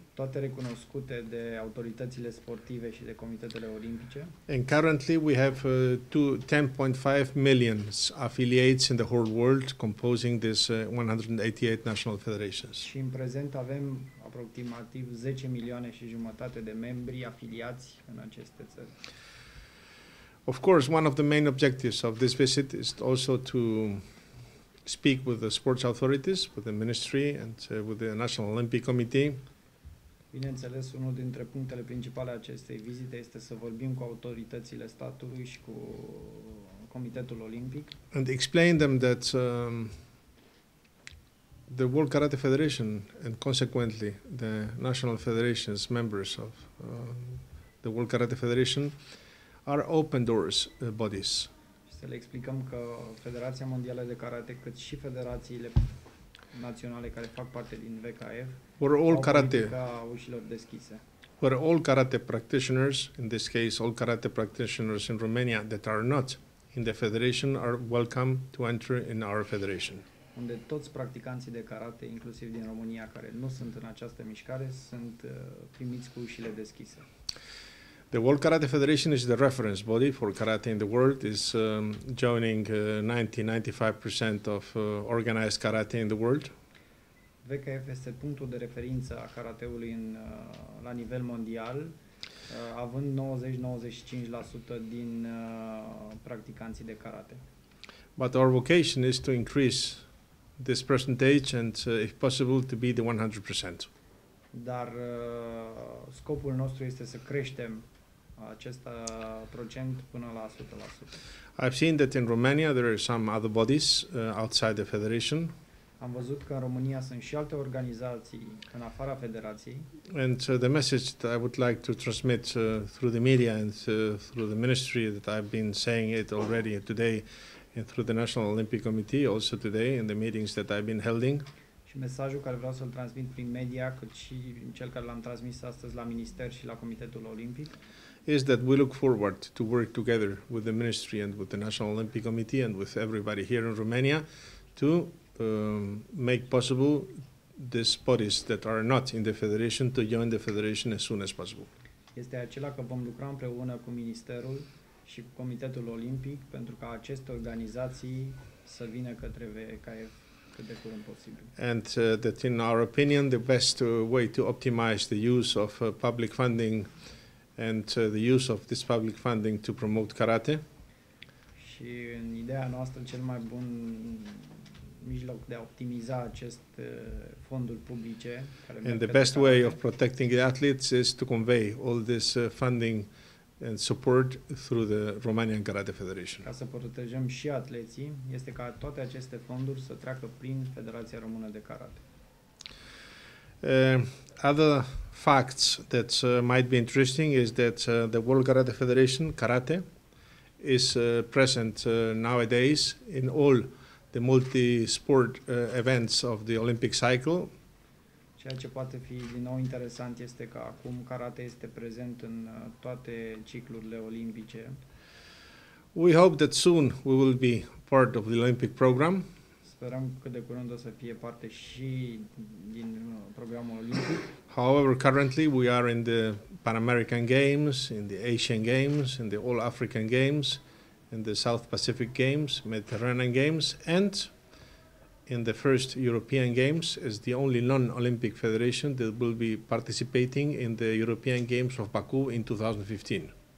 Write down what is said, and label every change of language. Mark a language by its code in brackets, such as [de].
[ro] Toate recunoscute de autoritățile sportive și de comitetele olimpice. [en] And currently we have 10.5 million affiliates in the whole world composing this 188 national federations. [ro] Și în prezent avem aproximativ 10 milioane și jumătate de membri afiliați în aceste țări. [en] Of course, one of the main objectives of this visit is also to speak with the sports authorities, with the ministry and with the National Olympic Committee. [ro] Bineînțeles, unul dintre punctele principale acestei vizite este să vorbim cu autoritățile statului și cu Comitetul Olimpic. [en] And explain them that the World Karate Federation and consequently the national federations, members of the World Karate Federation, are open doors bodies. [ro] Să le explicăm că Federația Mondială de Karate, cât și federațiile naționale care fac parte din VKF, [en] were all karate. [ro] Ușilor deschise. [en] Were all karate practitioners, in this case all karate practitioners in Romania that are not in the federation are welcome to enter in our federation. [ro] Unde toți practicanții de karate, inclusiv din România, care nu sunt în această mișcare, sunt primiți cu ușile deschise. [en] The World Karate Federation is the reference body for karate in the world. It's joining 90-95% of organized karate in the world. [ro] VKF este punctul de referință a karateului în la nivel mondial, având 90-95% din practicanții de karate. [en] But our vocation is to increase this percentage and if possible to be the 100%. [ro] Dar scopul nostru este să creștem acest procent până la 100%. [en] I've seen that in Romania there are some other bodies outside the federation. [ro] Am văzut că în România sunt și alte organizații în afara federației. [en] And the message that I would like to transmit through the media and through the ministry that I've been saying it already today and through the National Olympic Committee also today in the meetings that I've been holding. [ro] Și mesajul care vreau să-l transmit prin media, cât și cel care l-am transmis astăzi la minister și la Comitetul Olimpic, [en] is that we look forward to work together with the ministry and with the National Olympic Committee and with everybody here in Romania to make possible these bodies that are not in the federation to join the federation as soon as possible. [ro] Este acela că vom lucra împreună cu ministerul și cu Comitetul Olimpic pentru ca aceste organizații să vină către VKF cât de curând posibil. [en] And that in our opinion the best way to optimize the use of public funding and the use of this public funding to promote karate. [ro] Și în ideea noastră cel mai bun mijloc de a optimiza acest fonduri publice care [en] and the best way of protecting the athletes is to convey all this funding and support through the Romanian Karate Federation. [ro] Ca să protejăm și atleții, este ca toate aceste fonduri să treacă prin Federația Română de Karate. [en] Other facts that might be interesting is that the World Karate Federation, Karate, is present nowadays in all the multi-sport events of the Olympic cycle. [ro] Ceea ce poate fi din nou interesant este că acum Karate este prezent în toate ciclurile olimpice. [en] We hope that soon we will be part of the Olympic program. [ro] Sperăm că de curând o să fie parte și din programul olimpic. [en] However, currently we are in the Pan American Games, in the Asian Games, in the All African Games, in the South Pacific Games, Mediterranean Games, and in the first European Games as the only non-Olympic federation that will be participating in the European Games of Baku in 2015.